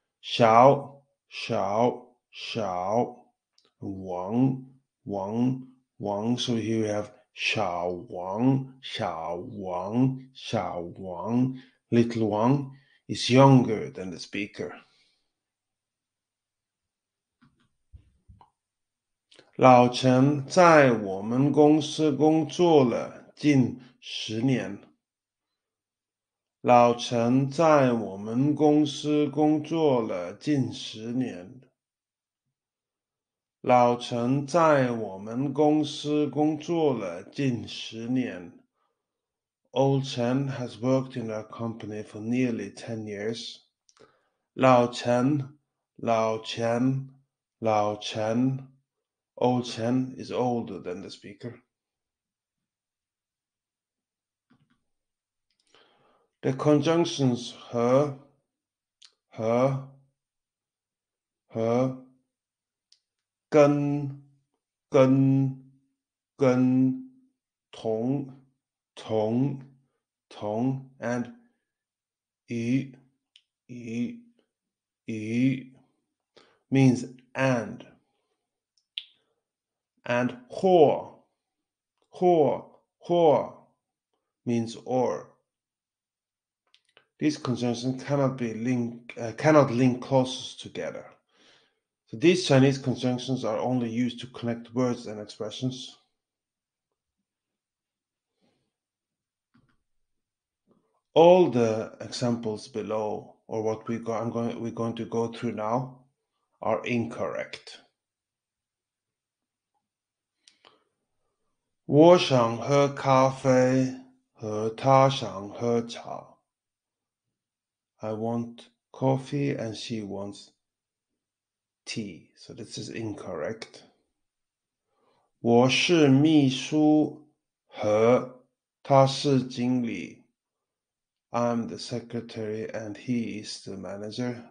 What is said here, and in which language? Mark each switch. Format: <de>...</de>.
<en>Xiao, Xiao, Xiao. Wang, Wang, Wang. So here we have Xiao Wang, Xiao Wang, Xiao Wang. Little Wang is younger than the speaker.</en> <zh>Lao Chen 在我们公司工作了近十年。老陈在我们公司工作了近十年。老陈在我们公司工作了近十年。</zh> <en>Old Chen has worked in our company for nearly 10 years.</en> <zh>老陈，老陈，老陈。</zh> <en>Old Chen is older than the speaker. The conjunctions 和, 和, 和, 跟, 跟, 跟, 同, 同, 同, and 与, 与, 与 means and. And 或, 或, 或 means or. These conjunctions cannot link clauses together. So these Chinese conjunctions are only used to connect words and expressions. All the examples below, or what we're going to go through now, are incorrect.</en> <zh>我想喝咖啡，和他想喝茶。</zh> <en>I want coffee and she wants tea. So this is incorrect.</en> <zh>我是秘书和他是经理。</zh> <en>I'm the secretary and he is the manager.</en>